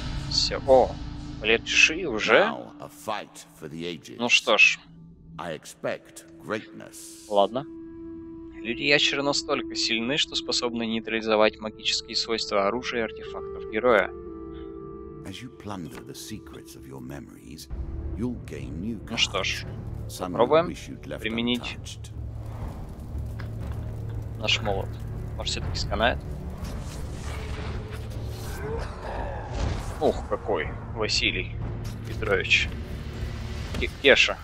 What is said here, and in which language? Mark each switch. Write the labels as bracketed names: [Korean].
[Russian] Все. О, плечи уже. [English] Now a fight for the ages. [Russian] Ну что ж. [English] I expect greatness. [Russian] Ладно. Люди-ящеры настолько сильны, что способны нейтрализовать магические свойства оружия и артефактов героя. [English] As you plunder the secrets of your memories, you'll gain new cards. [Russian] Ну что ж, попробуем применить наш молот. Может, все-таки сканает? Ух, какой Василий Петрович. Кеша.